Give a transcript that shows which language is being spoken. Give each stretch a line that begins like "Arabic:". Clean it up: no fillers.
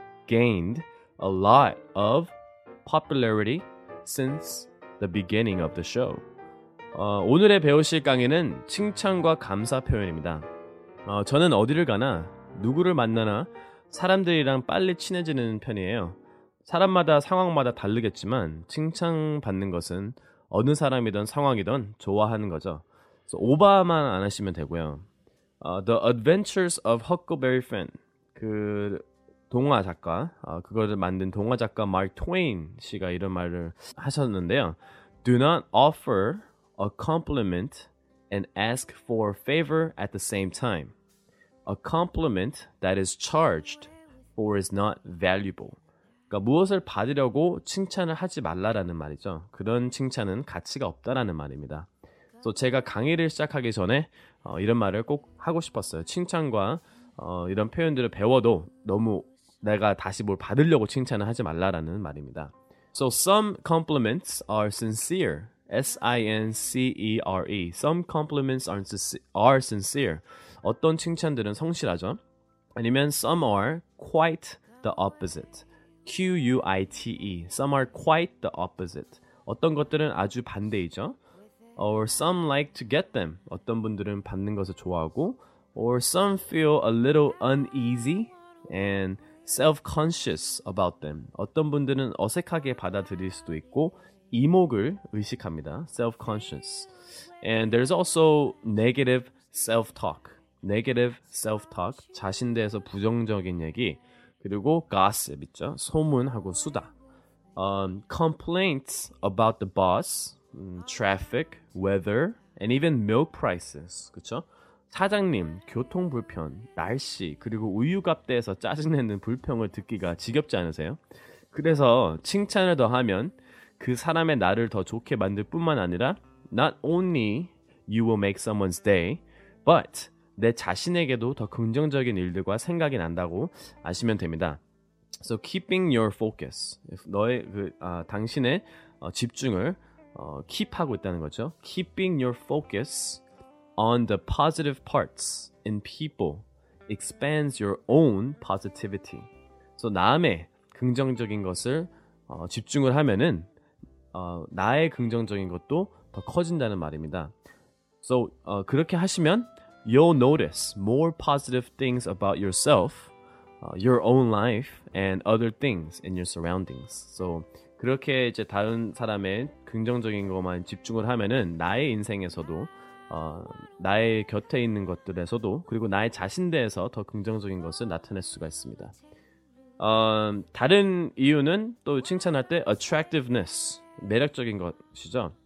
English: gained a lot of popularity since the beginning of the show.
Korean: 오늘의 배우실 강의는 칭찬과 감사 표현입니다. 저는 어디를 가나 누구를 만나나 사람들이랑 빨리 친해지는 편이에요. 사람마다 상황마다 다르겠지만 칭찬받는 것은 어느 사람이든 상황이든 좋아하는 거죠. 그래서 오바만 안 하시면 되고요. The Adventures of Huckleberry Finn 그 동화 작가, 그거를 만든 동화 작가 마크 트웨인 씨가 이런 말을 하셨는데요.
English: Do not offer a compliment and ask for a favor at the same time. A compliment that is charged for is not valuable.
Korean: 그러니까 무엇을 받으려고 칭찬을 하지 말라라는 말이죠. 그런 칭찬은 가치가 없다라는 말입니다. 또 제가 강의를 시작하기 전에 이런 말을 꼭 하고 싶었어요. 칭찬과 이런 표현들을 배워도 너무 내가 다시 뭘 받으려고 칭찬을 하지 말라라는 말입니다.
English: So some compliments are sincere. S-I-N-C-E-R-E. Some compliments are sincere.
Korean: 어떤 칭찬들은 성실하죠. 아니면
English: some are quite the opposite. Q-U-I-T-E. Some are quite the opposite.
Korean: 어떤 것들은 아주 반대이죠.
English: Or some like to get them.
Korean: 어떤 분들은 받는 것을 좋아하고.
English: Or some feel a little uneasy and self-conscious about them.
Korean: 어떤 분들은 어색하게 받아들일 수도 있고 이목을 의식합니다.
English: Self-conscious. And there's also negative self-talk. Negative self-talk.
Korean: 자신 대해서 부정적인 얘기. 그리고 gossip 있죠. 소문하고 수다.
English: Complaints about the boss, traffic, weather, and even milk prices.
Korean: 그쵸? 사장님, 교통 불편, 날씨, 그리고 우유값 대해서 짜증내는 불평을 듣기가 지겹지 않으세요? 그래서 칭찬을 더 하면 그 사람의 나를 더 좋게 만들 뿐만 아니라
English: Not only you will make someone's day, but
Korean: 내 자신에게도 더 긍정적인 일들과 생각이 난다고 아시면 됩니다.
English: So keeping your focus,
Korean: 너의 당신의 집중을 keep하고 있다는 거죠.
English: Keeping your focus on the positive parts in people expands your own positivity.
Korean: So 남의 긍정적인 것을 집중을 하면은 나의 긍정적인 것도 더 커진다는 말입니다.
English: So
Korean: 그렇게 하시면
English: you'll notice more positive things about yourself, your own life, and other things in your surroundings.
Korean: So 그렇게 이제 다른 사람의 긍정적인 것만 집중을 하면은 나의 인생에서도 나의 곁에 있는 것들에서도 그리고 나의 자신 대해서 더 긍정적인 것을 나타낼 수가 있습니다. 다른 이유는 또 칭찬할 때 attractiveness, 매력적인 것이죠.